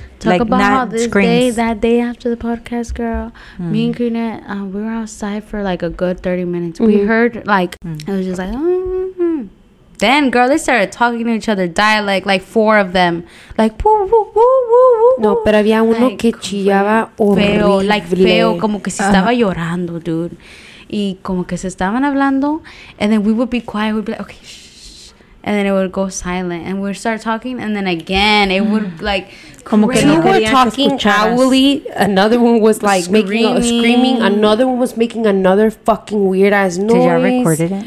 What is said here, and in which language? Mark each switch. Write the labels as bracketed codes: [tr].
[en] Talk like about how this screams. Day, that day after the podcast, girl, me and Karina, we were outside for like a good 30 minutes. Mm-hmm. We heard like, it was just like, Then, girl, they started talking to each other, dialect, like four of them. Like, woo, woo, woo, woo, woo. [es] No, pero había uno like, que chillaba feo, horrible. Like feo, como que si estaba llorando, dude. Y como que se estaban hablando. [en] And then we would be quiet. We'd be like, okay, and then it would go silent and we'd start talking and then again it would like [es] como que [en] two were talking owly, another one was like screaming. Screaming, another one was making another fucking weird ass noise. Did y'all record it?